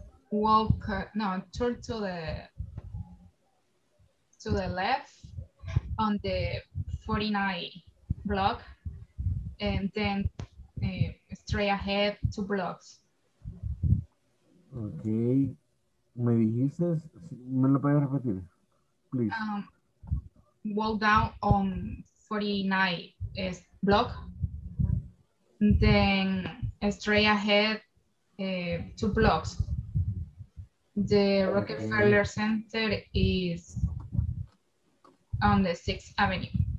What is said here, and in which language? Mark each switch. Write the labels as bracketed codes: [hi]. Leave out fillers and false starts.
[en] Walk, no, turn to the left on the 49 block, and then straight ahead two blocks. [es] Okay, me dijiste, me lo puedes repetir, [en] please. Walk down on 49 block, then straight ahead two blocks. The Rockefeller Center is on the 6th Avenue.